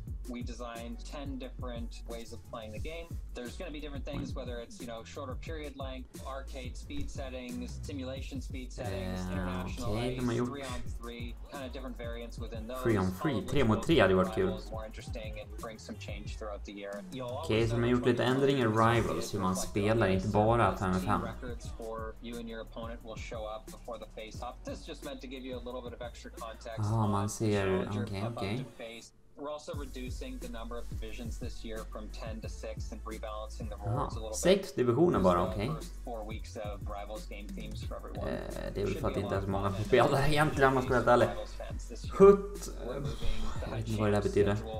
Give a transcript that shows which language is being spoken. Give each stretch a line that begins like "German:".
English: We designed 10 different ways of playing the game. There's going to be different things, whether it's, you know, shorter period length, arcade speed settings, simulation speed settings, international ice, 3-on-3, kind of different variants within those.
Swedish: 3-on-3, 3-mot-3 hade varit kul.
English: More interesting and bring some change throughout the year.
Swedish: Okej, så man har gjort lite ändringar i Rivals, hur man spelar, inte bara 5-5.
English: Records for you and your opponent will show up before the face-off. This just meant to give you a little bit of extra context.
Swedish: Ah, man ser, okej.
English: We're also reducing the number of divisions this year from 10 to 6 and rebalancing the rewards a little bit.
Swedish: 6 divisioner bara, okej.
English: Okay.
Swedish: Det är väl för att det inte är så många som spelar egentligen, om man ska vara helt ärlig. Hutt, jag vet inte vad det här betyder.